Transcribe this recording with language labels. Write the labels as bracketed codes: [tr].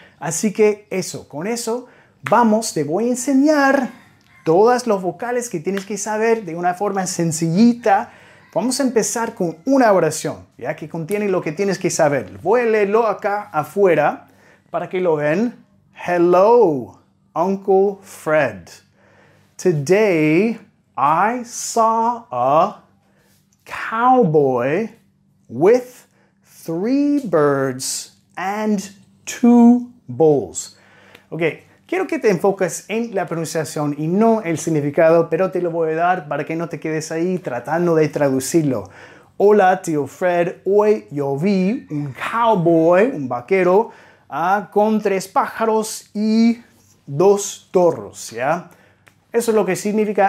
[es] Así que eso, con eso vamos, te voy a enseñar todas las vocales que tienes que saber de una forma sencillita. Vamos a empezar con una oración, ya que contiene lo que tienes que saber. Voy a leerlo acá afuera para que lo vean. [en] Hello, Uncle Fred. Today I saw a cowboy with 3 birds and 2 bulls. [es] Ok, quiero que te enfoques en la pronunciación y no el significado, pero te lo voy a dar para que no te quedes ahí tratando de traducirlo. Hola, tío Fred. Hoy yo vi un cowboy, un vaquero, con 3 pájaros y 2 toros, ¿ya? Eso es lo que significa.